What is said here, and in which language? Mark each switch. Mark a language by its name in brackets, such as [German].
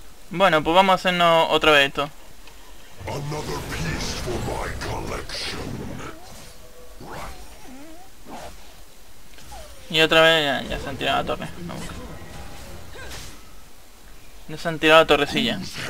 [Spanish] Bueno, pues vamos a hacernos otra vez esto. [English] Another piece for my collection. [Spanish] Y otra vez ya, ya se han tirado a la torre. No, ya se han tirado a la torrecilla.